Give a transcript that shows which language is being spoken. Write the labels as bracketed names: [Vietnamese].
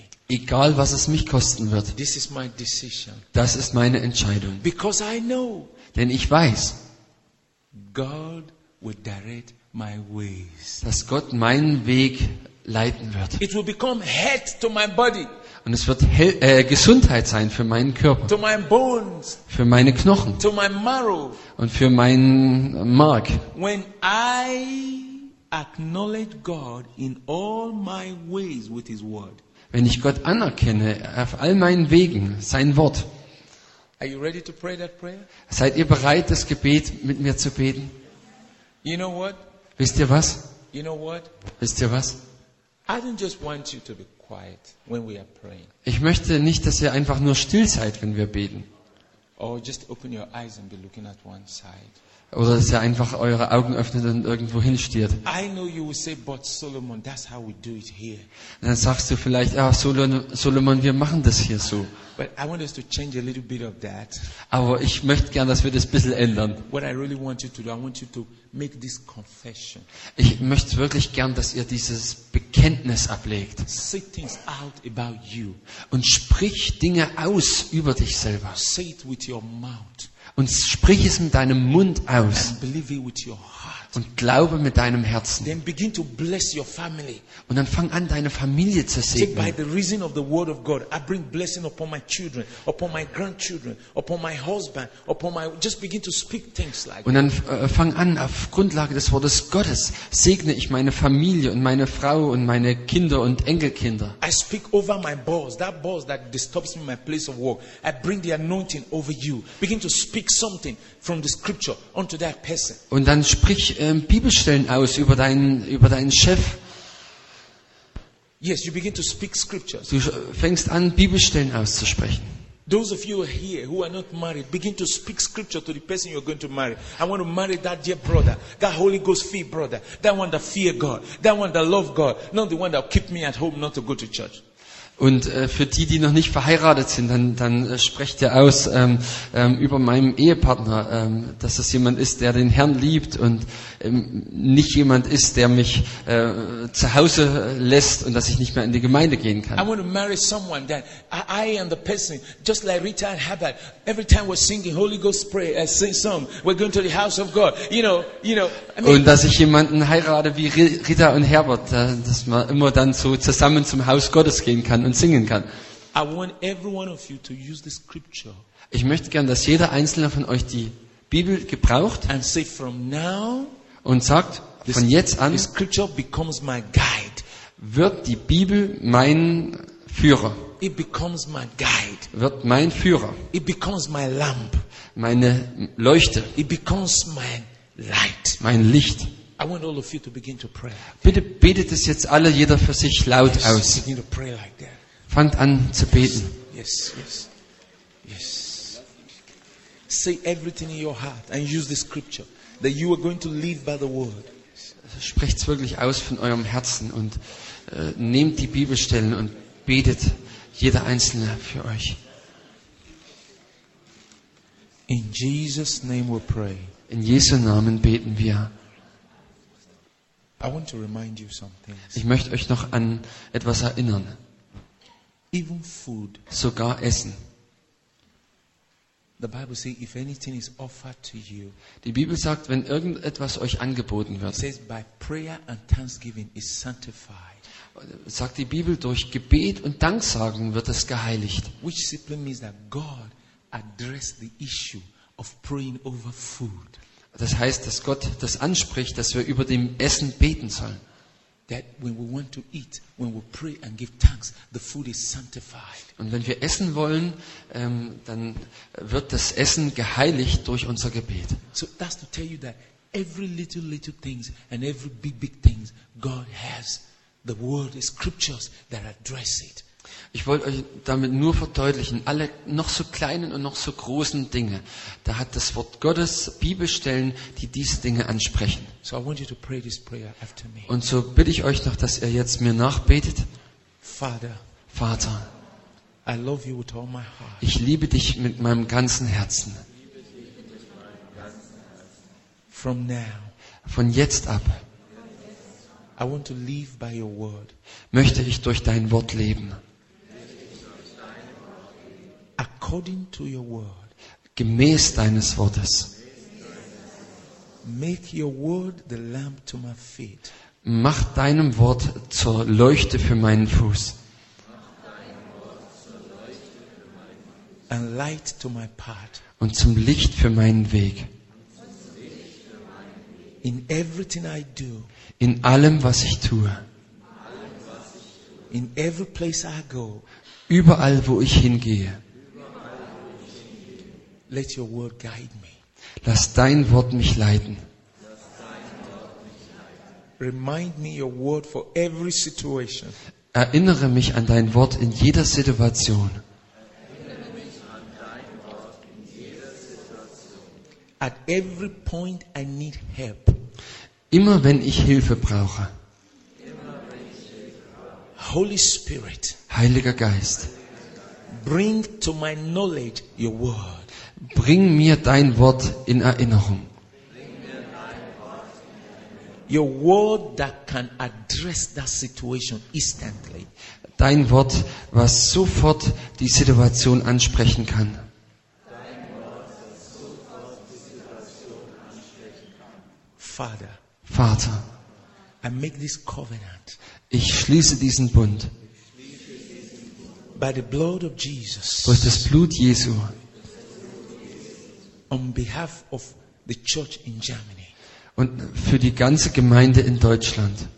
[German] Egal, was es mich kosten wird, das ist meine Entscheidung. Denn ich weiß, dass Gott meinen Weg leiten wird. [English] It will become health to my body. [German] Und es wird Gesundheit sein für meinen Körper. [English] To my bones. [German] Für meine Knochen. [English] To my marrow. [German] Und für meinen Mark. [English] When I acknowledge God in all my ways with his word. [German] Wenn ich Gott anerkenne auf all meinen Wegen, sein Wort. [English] Are you ready to pray that prayer? [German] Seid ihr bereit, das Gebet mit mir zu beten? [English] You know what? [German] Wisst ihr was? [English] You know what? [German] Wisst ihr was? [English] I don't just want you to be quiet when we are praying. [German] Ich möchte nicht, dass ihr einfach nur still seid, wenn wir beten. [English] Or just open your eyes and be looking at one side. [German] Oder dass ihr einfach eure Augen öffnet und irgendwo hinstiert. [English] I know you will say, but Solomon, that's how we do it here. [German] Und dann sagst du vielleicht, ah, Solomon, wir machen das hier so. [English] But I want us to change a little bit of that. [German] Aber ich möchte gern, dass wir das ein bisschen ändern. [English] What I really want you to do, I want you to make this confession. [German] Ich möchte wirklich gern, dass ihr dieses Bekenntnis ablegt. [English] Say things out about you. [German] Und sprich Dinge aus über dich selber. [English] Say it with your mouth. [German] Und sprich es mit deinem Mund aus. [English] And believe it with your heart. [German] Und glaube mit deinem Herzen. [English] Then begin to bless your family. [German] Und dann fang an, deine Familie zu segnen. [English] By the reason of the word of God, I bring blessing upon my children, upon my grandchildren, upon my husband, upon my. Just begin to speak things like. [German] Und dann fang an, auf Grundlage des Wortes Gottes segne ich meine Familie und meine Frau und meine Kinder und Enkelkinder. [English] I speak over my boss, that boss that disturbs me in my place of work. I bring the anointing over you. Begin to speak. Something from the scripture onto that person. [German] Und dann sprich Bibelstellen aus über deinen Chef. [English] Yes, you begin to speak scriptures. [German] Du fängst an, Bibelstellen auszusprechen. [English] Those of you here who are not married, begin to speak scripture to the person you're going to marry. I want to marry that dear brother, that Holy Ghost fear brother, that one that fear God, that one that love God, not the one that keep me at home not to go to church. [German] Und für die, die noch nicht verheiratet sind, dann sprecht ihr aus über meinem Ehepartner, dass das jemand ist, der den Herrn liebt und nicht jemand ist, der mich zu Hause lässt und dass ich nicht mehr in die Gemeinde gehen kann. [English] I want to marry someone that I am the person, just like Rita and Habakkuk. Every time we're singing Holy Ghost pray, sing song, we're going to the house of God. You know. I mean, [German] und dass ich jemanden heirate wie Rita und Herbert, dass man immer dann so zusammen zum Haus Gottes gehen kann. Und singen kann. [English] I want every one of you to use the scripture. [German] Ich möchte gern, dass jeder einzelne von euch die Bibel gebraucht [English] and say from now, [German] und sagt, von jetzt an [English] the scripture becomes my guide. [German] Wird die Bibel mein Führer. [English] It becomes my guide. [German] Wird mein Führer. [English] It becomes my lamp. [German] Meine Leuchte. [English] It becomes my light. [German] Mein Licht. [English] I want all of you to begin to pray. [German] Bitte betet es jetzt alle jeder für sich laut aus. [English] Begin to pray like that. [German] Fangt an zu beten. [English] Yes, yes, yes. Say everything in your heart and use the scripture that you are going to live by the word. [German] Sprecht's wirklich aus von eurem Herzen und nehmt die Bibelstellen und betet jeder einzelne für euch. [English] In Jesus' name we pray. [German] In Jesu Namen beten wir. [English] I want to remind you something. [German] Ich möchte euch noch an etwas erinnern. [English] Even food. [German] Sogar Essen. [English] The Bible says, if anything is offered to you. [German] Die Bibel sagt, wenn irgendetwas euch angeboten wird. [English] It says, by prayer and thanksgiving is sanctified. [German] Sagt die Bibel, durch Gebet und Danksagen wird es geheiligt. [English] Which simply means that God addressed the issue of praying over food. [German] Das heißt, dass Gott das anspricht, dass wir über dem Essen beten sollen. [English] That when we want to eat, when we pray and give thanks, the food is sanctified. [German] Und wenn wir essen wollen, dann wird das Essen geheiligt durch unser Gebet. [English] So that's to tell you that every little things and every big things God has the word is scriptures that address it. [German] Ich wollte euch damit nur verdeutlichen, alle noch so kleinen und noch so großen Dinge, da hat das Wort Gottes Bibelstellen, die diese Dinge ansprechen. [English] So I want you to pray this prayer after me. [German] Und so bitte ich euch noch, dass ihr jetzt mir nachbetet. [English] Vater, I love you with all my heart. [German] Ich liebe dich mit meinem ganzen Herzen. [English] From now. [German] Von jetzt ab. [English] I want to live by your word. [German] Möchte ich durch dein Wort leben. [English] According to your word. [German] Gemäß deines Wortes. [English] Make your word the lamp to my feet. [German] Mach deinem Wort zur Leuchte für meinen Fuß. [English] And light to my path. [German] Und zum Licht für meinen Weg. [English] In everything I do. [German] In allem, was ich tue. [English] In every place I go. [German] Überall, wo ich hingehe. [English] Let your word guide me. [German] Lass dein Wort mich leiten. [English] Remind me your word for every situation. [German] Erinnere mich an dein Wort in jeder Situation. Erinnere mich an dein Wort in jeder [English] At every point I need help. [German] Immer wenn ich Hilfe brauche. [English] Holy Spirit. [German] Heiliger Geist. [English] Bring to my knowledge your word. [German] Bring mir dein Wort in Erinnerung. [English] Your word that can address that situation instantly. [German] Dein Wort, was sofort die Situation ansprechen kann. [English] Father. [German] Vater. [English] I make this covenant. [German] Ich schließe diesen Bund. [English] By the blood of Jesus. [German] Durch das Blut Jesu. [English] On behalf of the church in Germany. [German] Und für die ganze Gemeinde in Deutschland.